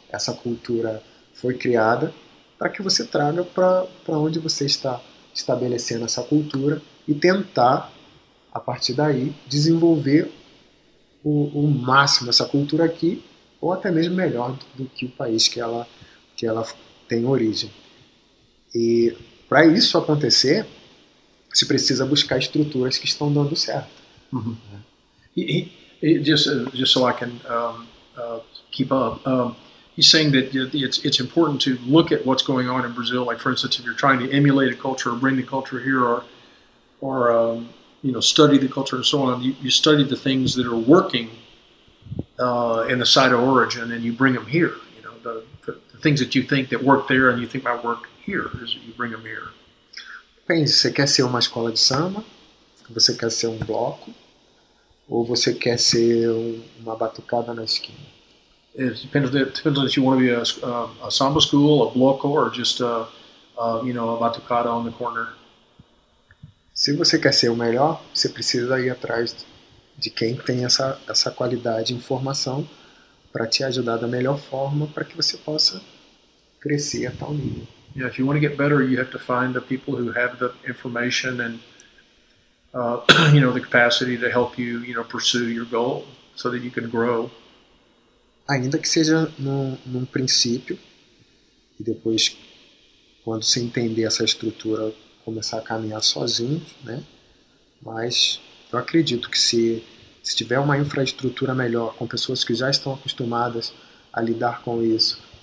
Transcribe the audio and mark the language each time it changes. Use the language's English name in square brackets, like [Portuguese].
[Portuguese] essa cultura foi criada, para que você traga para onde você está estabelecendo essa cultura e tentar, a partir daí, desenvolver o máximo essa cultura aqui, ou até mesmo melhor do que o país que ela tem origem. E para isso acontecer, se precisa buscar estruturas que estão dando certo. [English] Just so I can keep up, he's saying that it's important to look at what's going on in Brazil. Like, for instance, if you're trying to emulate a culture or bring the culture here, or study the culture and so on, you study the things that are working in the site of origin, and you bring them here. You know, the things that you think that work there, and you think might work here, is you bring them here. [Portuguese] Pense, você quer ser uma escola de samba? Você quer ser um bloco? Ou você quer ser uma batucada na esquina? Depende se [English] you want to be a samba school, a bloco, or just a batucada on the corner. [Portuguese] Se você quer ser o melhor, você precisa ir atrás de quem tem essa qualidade e informação para te ajudar da melhor forma para que você possa crescer a tal nível. [English] Yeah, if you want to get better, you have to find the people who have the information and the capacity to help you, pursue your goal so that you can grow. [Portuguese] Ainda que seja num princípio, e depois, quando você entender essa estrutura, começar a caminhar sozinho, né? Mas eu acredito que se tiver uma infraestrutura melhor, com pessoas que já estão acostumadas a lidar com isso,